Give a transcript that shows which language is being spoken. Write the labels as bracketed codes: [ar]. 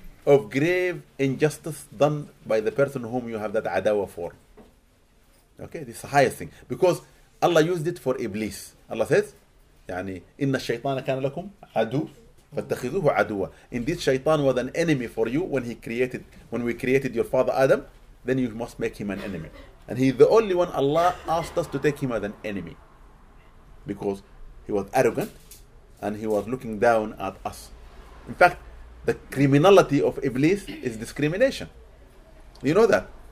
[en] Of grave injustice done by the person whom you have that adawa for. Okay? This is the highest thing. Because Allah used it for Iblis. Allah says, [ar] يعني إن الشيطان كان لكم عدو فاتخذوه عدوة. [en] Indeed, Shaitan was an enemy for you when he created, when we created your father Adam, then you must make him an enemy. And he's the only one Allah asked us to take him as an enemy. Because he was arrogant and he was looking down at us. In fact, the criminality of Iblis is discrimination. You know that.